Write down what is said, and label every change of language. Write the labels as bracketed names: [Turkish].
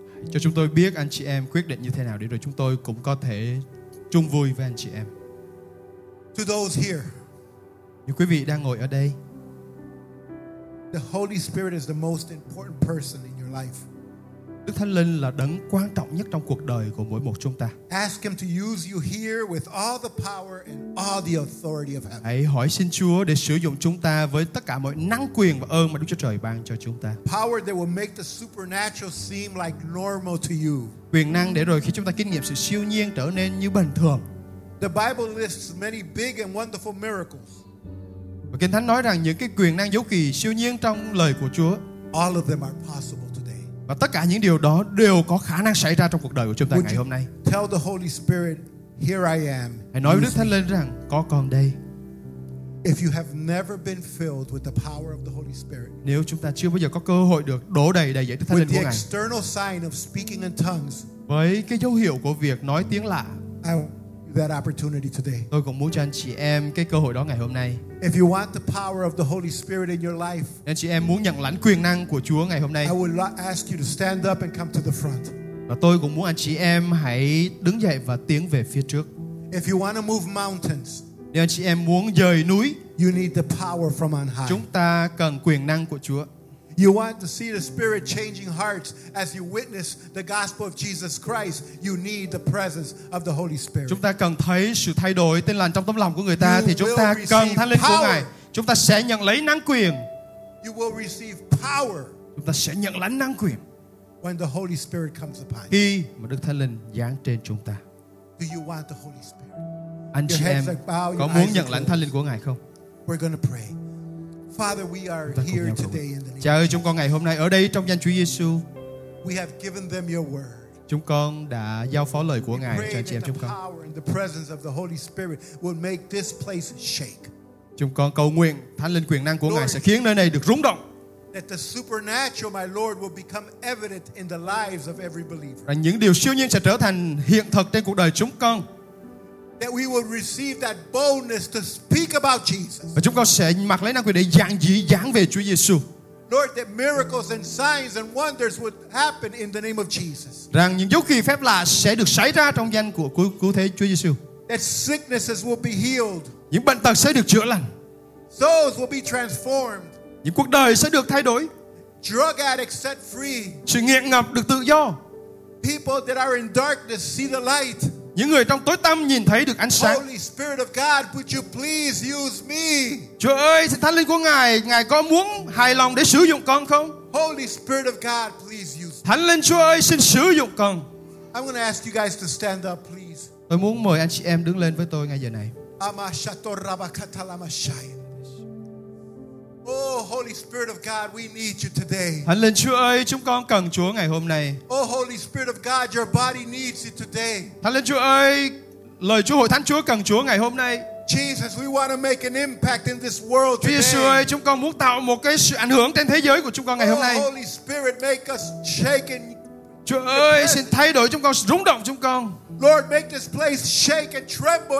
[Vietnamese] Cho chúng tôi biết anh chị em quyết định như thế nào để rồi chúng tôi cũng có thể chung vui với anh chị em. [English] To those here, [Vietnamese] những quý vị đang ngồi ở đây, [English] the Holy Spirit is the most important person in your life. [Vietnamese] Đức Thánh Linh là đấng quan trọng nhất trong cuộc đời của mỗi một chúng ta. [English] Ask him to use you here with all the power and all the authority of heaven. [Vietnamese] Hãy hỏi xin Chúa để sử dụng chúng ta với tất cả mọi năng quyền và ơn mà Đức Chúa Trời ban cho chúng ta. [English] Power that will make the supernatural seem like normal to you. [Vietnamese] Quyền năng để rồi khi chúng ta kinh nghiệm sự siêu nhiên trở nên như bình thường. [English] The Bible lists many big and wonderful miracles. [Vietnamese] Và Kinh Thánh nói rằng những cái quyền năng dấu kỳ siêu nhiên trong lời của Chúa. [English] All of them are possible. [Vietnamese] Và tất cả những điều đó đều có khả năng xảy ra trong cuộc đời của chúng ta ngày hôm nay. [English] Tell the Holy Spirit, here I am. [Vietnamese] Hãy nói với Đức Thánh Linh rằng có con đây. [English] If you have never been filled with the power of the Holy Spirit. [Vietnamese] Nếu chúng ta chưa bao giờ có cơ hội được đổ đầy đầy dẫy Đức Thánh Linh của Ngài. [English] With the external sign of speaking in tongues. [Vietnamese] Với cái dấu hiệu của việc nói tiếng lạ. [English] I want that opportunity today. [Vietnamese] Tôi cũng muốn cho anh chị em cái cơ hội đó ngày hôm nay. [English] If you want the power of the Holy Spirit in your life, [Vietnamese] anh chị em muốn nhận lãnh quyền năng của Chúa ngày hôm nay, [English] I would ask you to stand up and come to the front. [Vietnamese] Và tôi cũng muốn anh chị em hãy đứng dậy và tiến về phía trước. [English] If you want to move mountains, [Vietnamese] nếu anh chị em muốn dời núi, [English] you need the power from on high. [Vietnamese] Chúng ta cần quyền năng của Chúa. [English] You want to see the Spirit changing hearts as you witness the gospel of Jesus Christ. You need the presence of the Holy Spirit. [Vietnamese] Chúng ta cần thấy sự thay đổi tin lành trong tấm lòng của người ta thì chúng ta cần Thánh Linh của Ngài. Chúng ta sẽ nhận lấy năng quyền. [English] You will receive power. [Vietnamese] Chúng ta sẽ nhận lãnh năng quyền. [English] When the Holy Spirit comes upon you. [Vietnamese] Khi mà Đức Thánh Linh giáng trên chúng ta. [English] Do you want the Holy Spirit? [Vietnamese] Anh chị em có muốn nhận lãnh Thánh Linh của Ngài không? [English] We're going to pray. Father, we are here today in the name. [Vietnamese] Cha ơi, chúng con ngày hôm nay ở đây trong danh Chúa Giêsu. [English] We have given them your word. [Vietnamese] Chúng con đã giao phó lời của Ngài cho chị em chúng con. [English] The power and the presence of the Holy Spirit will make this place shake. [Vietnamese] Chúng con cầu nguyện Thánh Linh quyền năng của Ngài sẽ khiến nơi này được rung động. [English] That the supernatural, my Lord, will become evident in the lives of every believer. [Vietnamese] Rằng những điều siêu nhiên sẽ trở thành hiện thực trên cuộc đời chúng con. [English] That we will receive that boldness to speak about Jesus. [Vietnamese] Và chúng con sẽ mặc lấy năng quyền để giảng dĩ giảng về Chúa Giêsu. [English] Lord, that miracles and signs and wonders would happen in the name of Jesus. [Vietnamese] Rằng những dấu kỳ phép lạ sẽ được xảy ra trong danh của cứu thế Chúa Giêsu. [English] That sicknesses will be healed. [Vietnamese] Những bệnh tật sẽ được chữa lành. [English] Souls will be transformed. [Vietnamese] Những cuộc đời sẽ được thay đổi. [English] Drug addicts set free. [Vietnamese] Sự nghiện ngập được tự do. [English] People that are in darkness see the light. [Vietnamese] Những người trong tối tăm nhìn thấy được ánh sáng. [English] Holy Spirit of God, would you please use me? [Vietnamese] Chúa ơi, xin Thánh Linh của Ngài, Ngài có muốn hài lòng để sử dụng con không? [English] Holy Spirit of God, please use me. [Vietnamese] Thánh Linh Chúa ơi, xin sử dụng con. [English] I'm going to ask you guys to stand up, please. [Vietnamese] Tôi muốn mời anh chị em đứng lên với tôi ngay giờ này. [English] Oh, Holy Spirit of God, we need you today. [Vietnamese] Thánh Linh Chúa ơi, chúng con cần Chúa ngày hôm nay. [English] Oh, Holy Spirit of God, your body needs you today. [Vietnamese] Thánh Linh Chúa ơi, lời Chúa hội thánh Chúa cần Chúa ngày hôm nay. [English] Jesus, we want to make an impact in this world today. [Vietnamese] Chúa Giêsu ơi, chúng con muốn tạo một cái sự ảnh hưởng trên thế giới của chúng con ngày hôm nay. [English] Oh, Holy Spirit, make us shake. [Vietnamese] Chúa ơi, xin thay đổi chúng con, rung động chúng con. [English] Lord, make this place shake and tremble.